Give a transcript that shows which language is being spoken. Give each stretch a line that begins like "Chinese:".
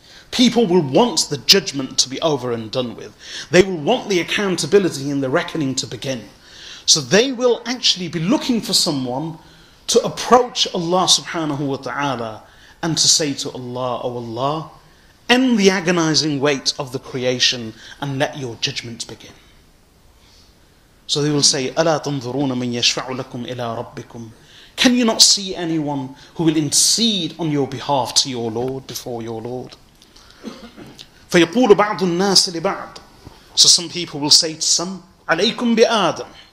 English: People will want the judgment to be over and done with. They will want the accountability and the reckoning to begin. So they will actually be looking for someone to approach Allah subhanahu wa ta'ala and to say to Allah, O Allah, end the agonizing wait of the creation and let your judgment begin. So they will say,
Arabic: أَلَا تَنْظُرُونَ مَنْ يَشْفَعُ لَكُمْ إِلَىٰ رَبِّكُمْ.
English: Can you not see anyone who will intercede on your behalf to your Lord, before your Lord?
Arabic: فَيَقُولُ بَعْضُ النَّاسِ لِبَعْضٍ.
English: So some people will say to some,
Arabic: عَلَيْكُمْ بِآدَمٍ.